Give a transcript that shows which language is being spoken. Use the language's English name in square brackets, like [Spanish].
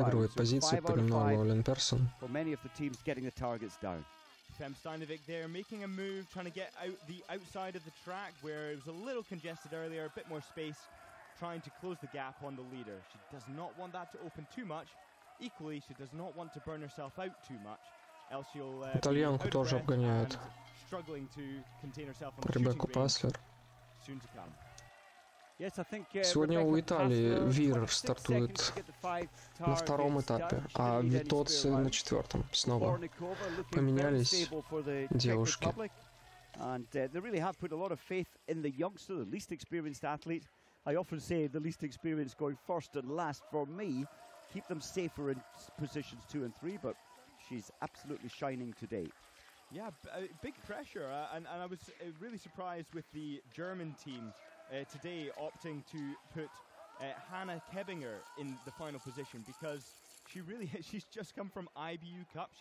[Russian] Отыгрывает позиции, перемнула Олен Персон. [English] For many of the teams getting the targets down. Fem Steinovic there making a move, trying to get out the outside of the track where it was a little congested earlier, a bit more space. Trying to close the gap on the leader. She does not want that to open too much. Equally, she does not want to burn herself out too much. Else she'll [Russian] Итальянку тоже обгоняют. [English] Struggling to contain herself on [Russian] Ребекку [English] the shooting range. Soon to come. Yes, I think, [Russian] сегодня у Италии Вирер стартует на втором этапе, а Витоци на четвертом. Снова поменялись девушки. [English] And they really have put a lot of faith in the youngster, the least experienced athlete. I often say the least experienced going first and last for me keep them safer in positions 2 and 3, but she's absolutely shining today. Yeah, big pressure, and I was really surprised with the German team today opting to put Hannah Kebinger in the final position, because she's just come from IBU Cup.